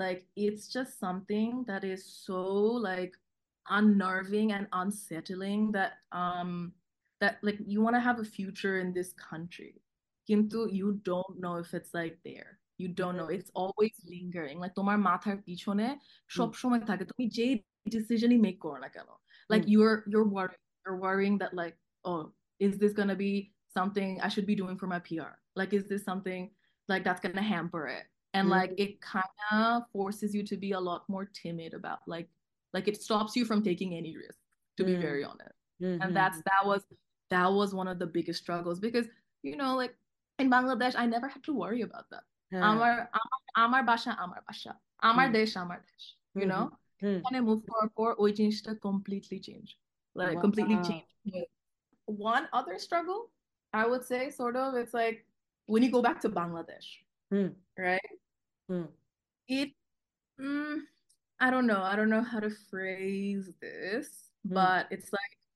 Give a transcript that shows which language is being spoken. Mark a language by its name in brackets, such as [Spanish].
[English] Like it's just something that is so like unnerving and unsettling that that like you want to have a future in this country, kintu you don't know if it's like there. You don't know, it's always lingering. Like [Bangla] তোমার মাথার পিছনে সবসময় থাকে, তুমি যেই ডিসিশনই make করো না কেন, [English] like your worrying that like oh is this gonna be something I should be doing for my PR, like is this something like that's gonna hamper it, and like it kinda forces you to be a lot more timid about like it stops you from taking any risk to be very honest, and that's one of the biggest struggles, because you know like in Bangladesh I never had to worry about that, [Bangla] আমার আমার বাসা আমার বাসা, আমার দেশ [English] আমার দেশ, you know [Bangla] এখানে মুভ করার পর ওই জিনিসটা completely change, [English] Like completely change. One other struggle I would say sort of it's like when you go back to Bangladesh, right, it I don't know how to phrase this, but it's like